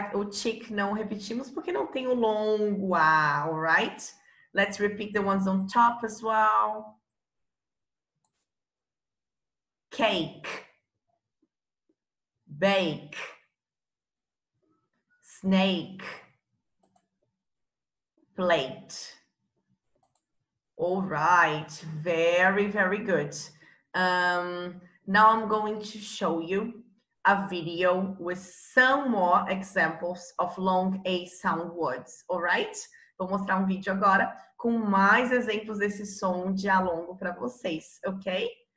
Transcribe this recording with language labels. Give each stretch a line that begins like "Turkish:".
Portuguese: O chick não repetimos porque não tem o longo A,
English: all right? Let's repeat the ones on top as well. Cake, bake, snake, plate. All right, very, very good. Now I'm going to show you a video with some more examples of long A sound words, all right?
Portuguese: Vou mostrar vídeo agora com mais exemplos desse som de A longo para vocês, ok?